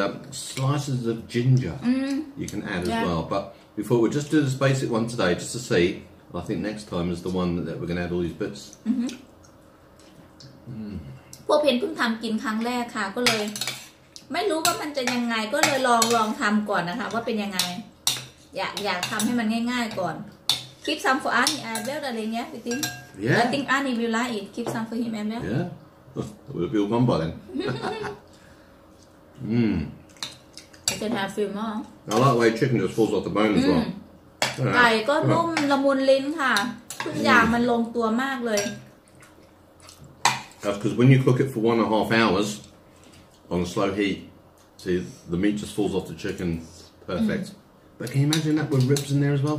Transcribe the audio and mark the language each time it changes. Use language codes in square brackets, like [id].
[en] Slices of ginger you can add as well. But before, we'll just do this basic one today just to see. I think next time is the one that we're going to add all these bits. [th] พวกเพนเพิ่งทำกินครั้งแรกค่ะก็เลยไม่รู้ว่ามันจะยังไงก็เลยลองทำก่อนนะคะว่าเป็นยังไงอยากทำให้มันง่ายๆก่อน [en] Keep some for Annie as well, darling, yeah, you think? Yeah. I think Annie will like it. Keep some for him as well. Yeah. We'll be all mumbo then. I can have a few more. I like the way chicken just falls off the bone as well. [th] ไก่ก็นุ่มละมุนลิ้นค่ะทุกอย่างมันลงตัวมากเลย [en] That's because when you cook it for 1.5 hours on a slow heat, see, the meat just falls off the chicken. Perfect. But can you imagine that with ribs in there as well?